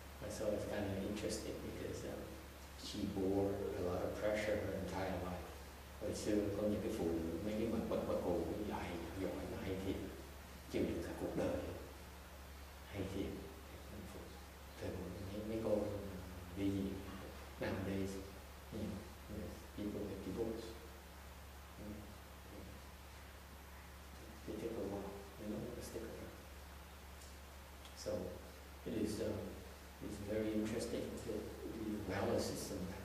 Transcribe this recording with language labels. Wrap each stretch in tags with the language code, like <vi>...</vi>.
<en>So it's kind of interesting because she bore a lot of pressure her entire life.</en> <vi>Hồi xưa có những cái phụ nữ mấy cái bà cụ cũng dạy giỏi mà hay thiệt, chịu được cả cuộc đời hay thiệt. Thời buổi mấy cô đi gì</vi> <en>nowadays, people get divorced. They take a while, they don't want to stick around. So it is it's very interesting to the balance system.</en>